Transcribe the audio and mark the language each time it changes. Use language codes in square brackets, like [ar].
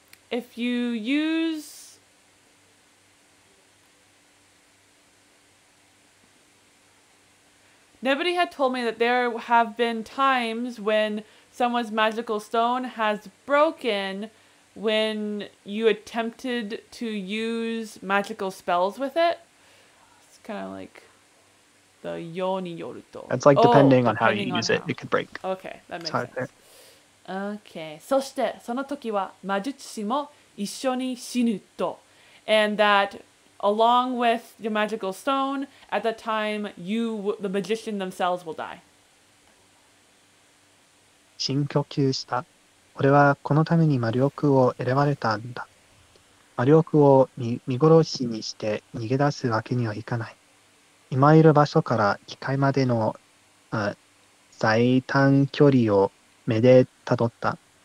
[en] If you use Nobody had told me that there have been times when someone's magical stone has broken when you attempted to use magical spells with it. It's kind of like the yoni yoruto. It's like depending on how you use it, it could break. Okay, that makes sense. [ja] Okay, そしてその時は魔術師も一緒に死ぬと。 [en] And that... Along with the magical stone, at that time, the magician themselves will die. [ja] 深呼吸した。俺はこのために魔力を選ばれたんだ。魔力を見殺しにして逃げ出すわけにはいかない。今いる場所から機械までの最短距離を目でたどった。